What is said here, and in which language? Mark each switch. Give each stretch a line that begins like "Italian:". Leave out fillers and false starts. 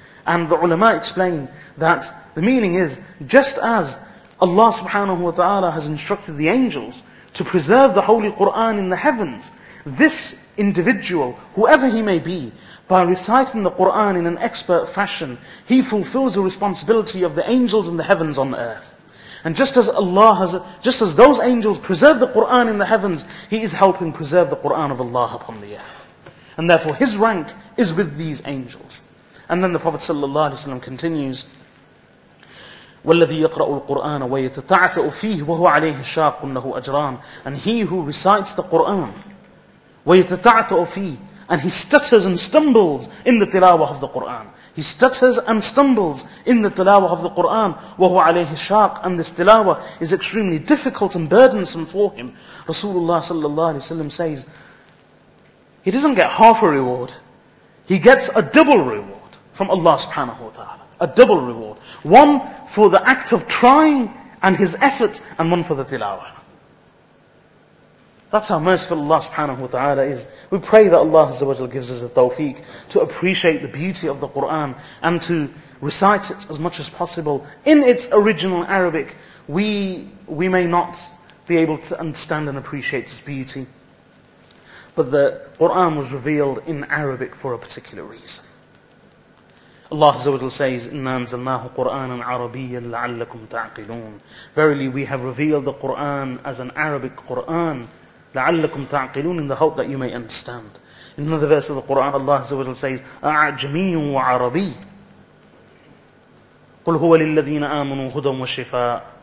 English: And the ulama explained that the meaning is, just as Allah subhanahu wa ta'ala has instructed the angels to preserve the Holy Qur'an in the heavens, this individual, whoever he may be, by reciting the Qur'an in an expert fashion, he fulfills the responsibility of the angels in the heavens on earth. And just as Allah has, just as those angels preserve the Qur'an in the heavens, he is helping preserve the Qur'an of Allah upon the earth. And therefore his rank is with these angels. And then the Prophet sallallahu alaihi wasallam continues,
Arabic: وَالَّذِي يَقْرَأُ الْقُرْآنَ وَيَتَتَعْتَأُ فِيهِ وَهُوَ عَلَيْهِ شَاقٌ لَهُ أَجْرَانٌ.
English: And he who recites the Qur'an,
Arabic: وَيَتَتَعْتَأُ فِيهِ,
English: and he stutters and stumbles in the tilawah of the Qur'an. He stutters and stumbles in the tilawah of the Qur'an.
Arabic: وَهُوَ عَلَيْهِ شَاقٌ.
English: And this tilawah is extremely difficult and burdensome for him. Rasulullah sallallahu alayhi wa sallam says, he doesn't get half a reward. He gets a double reward from Allah subhanahu wa ta'ala. A double reward. One for the act of trying and his effort, and one for the tilawah. That's how merciful Allah subhanahu wa ta'ala is. We pray that Allah azza wa jal gives us the tawfiq to appreciate the beauty of the Qur'an and to recite it as much as possible in its original Arabic. We may not be able to understand and appreciate its beauty. But the Qur'an was revealed in Arabic for a particular reason. Allah azza wa jal says,
Arabic: إِنَّا أَنزَلْنَاهُ قُرْآنًا عَرَبِيًّا لَعَلَّكُمْ تَعْقِلُونَ.
English: Verily we have revealed the Qur'an as an Arabic Qur'an,
Arabic: لَعَلَّكُمْ تَعْقِلُونَ,
English: in the hope that you may understand. In another verse of the Qur'an, Allah Azza wa Jalla says,
Arabic: أَعْجَمِيٌّ وَعَرَبِيٌّ قُلْ هُوَ لِلَّذِينَ آمَنُوا هُدًى وَشِفَاءٌ.